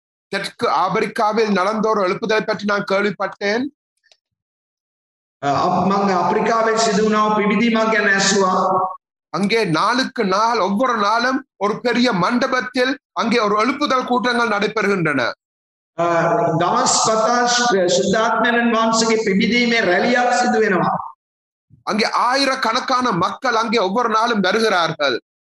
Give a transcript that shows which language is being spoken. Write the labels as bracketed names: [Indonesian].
[Tamil] தெற்கு ஆப்பிரிக்காவில் நடந்த ஒரு எழுப்புதலை பற்றி நான் கேள்விப்பட்டேன். ஆப்பிரிக்காவில் அங்கே நாளுக்கு நாள் ஒவ்வொரு நாளும் ஒரு பெரிய மண்டபத்தில் அங்கே ஒரு எழுப்புதல் கூட்டங்கள் நடைபெறுகின்றன. [Sinhala] දවස් කතා ශුද්ධාත්මයන් වහන්සේගේ පිබිදීමේ රැලියක් සිදු වෙනවා. [Tamil] அங்கே ஆயிரக்கணக்கான மக்கள் அங்கே ஒவ்வொரு நாளும் வருகிறார்கள்.